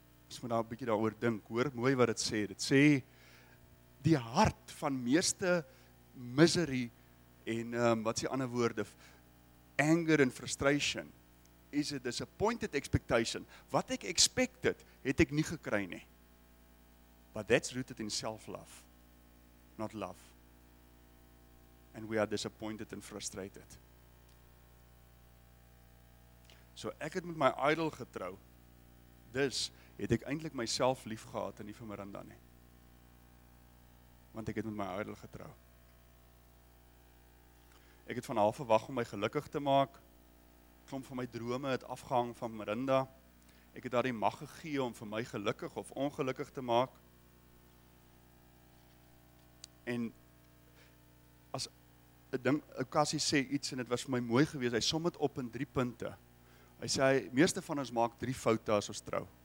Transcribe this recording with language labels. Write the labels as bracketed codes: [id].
[af] Ons moet nou 'n bietjie daaroor dink, hoor mooi wat dit sê. Dit sê die hart van meeste misery en wat is die ander woorde? [en] Anger and frustration is a disappointed expectation. [af] Wat ek expected, het ek nie gekry nie. [en] But that's rooted in self-love, not love. And we are disappointed and frustrated. [af] So ek het met my idol getrou. Dus het ek eintlik myself lief gehad en nie vir Miranda nie. Want ek het met my idol getrou. Ek het van haar verwag om my gelukkig te maak. Klomp van my drome het afgehang van Miranda. Ek het daar die mag gegee om vir my gelukkig of ongelukkig te maak. En as ek dink, Cassie sê iets en dit was vir my mooi gewees, hy som het op in 3 punte. Hy sê, meeste van ons maak 3 foute as ons trou.